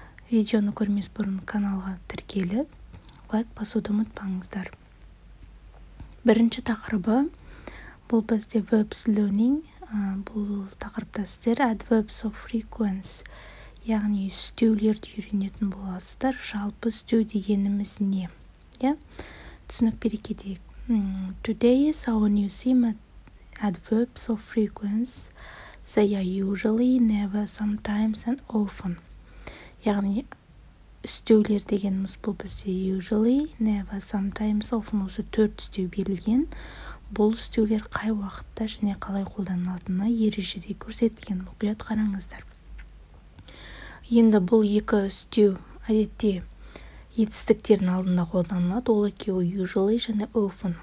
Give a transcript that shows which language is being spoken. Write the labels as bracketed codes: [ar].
[kk] Видеоны көрмес бұрын каналға тіркеліп, лайк басуды ұмытпаңыздар. Бірінші тақырыбы, бұл бізде [en] verbs learning, [kk] бұл тақырыпта сіздер [en] adverbs of frequence, [kk] яғни үстеулерді үйренетін боласыздар, жалпы үстеу дегеніміз не? Түсінік бере кетейік. [en] Today is our new theme, adverbs of frequence. They are usually, never, sometimes, and often. [kk] Яғни, үстеулер дегеніміз бұл бізде usually, never, sometimes, often осы төрт үстеу берілген. Бұл үстеулер қай уақытта және қалай қолданылатыны ережеде көрсетілген. Мұқият қараңыздар. Енді бұл екі үстеу әдетте етістіктерін алдында қолданылады, ол екеуі usually және often.